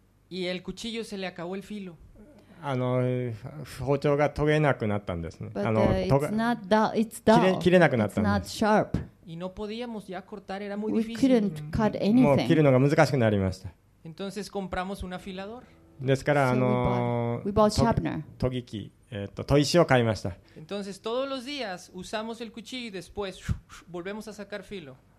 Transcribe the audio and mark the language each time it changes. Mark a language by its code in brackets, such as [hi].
[es] y el cuchillo se le acabó el filo。 [ja] あの包丁が研げなくなったんですね。 [en] But, あの [ja] 切れなくなったんです。 [en] It's not sharp。 [es] y no podíamos ya cortar, era muy difícil。 [en] we couldn't cut anything。 [ja] もう切るのが難しくなりました。 [es] Entonces compramos un afilador. [ja] ですから、研ぎ機、砥石を買いました。 [es] Entonces todos los días usamos el cuchillo y después volvemos a sacar filo.